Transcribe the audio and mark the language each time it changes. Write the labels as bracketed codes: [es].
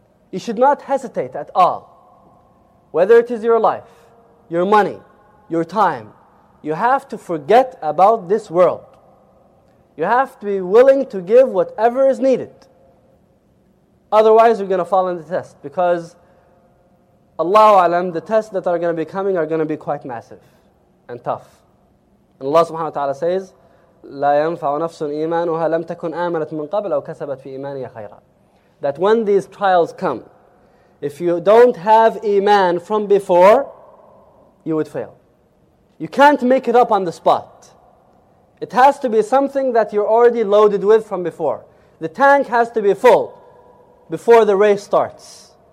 [en] You should not hesitate at all. Whether it is your life, your money, your time, you have to forget about this world. You have to be willing to give whatever is needed. Otherwise, you're going to fall in the test, because Allahu alam, the tests that are going to be coming are going to be quite massive and tough. [ar] And Allah subhanahu wa ta'ala says, لَا يَنْفَعُ نَفْسٌ إِيمَانُهَا لَمْ تَكُنْ آمَنَتْ مِنْ قَبْلَ أَوْ كَسَبَتْ فِي إِيمَانِيَ خَيْرًا. [en] That when these trials come, if you don't have iman from before, you would fail. You can't make it up on the spot. It has to be something that you're already loaded with from before. The tank has to be full before the race starts.